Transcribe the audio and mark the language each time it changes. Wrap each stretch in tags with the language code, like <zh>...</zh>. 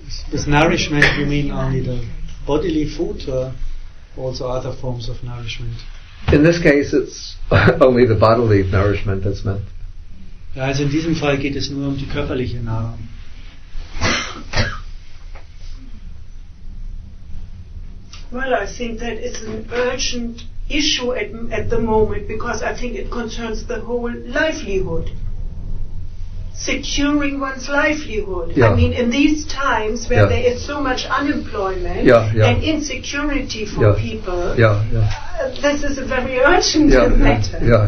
<en>Does nourishment, you mean only the bodily food or also other forms of nourishment? In this case, it's only the bodily nourishment that's meant.</en> <de>Ja, also in diesem Fall geht es nur um die körperliche Nahrung.</de> <en>Well, I think that it's an urgent issue at the moment because I think it concerns the whole livelihood. Securing one's livelihood. Yeah. I mean, in these times where there is so much unemployment and insecurity for people, this is a very urgent matter.</en>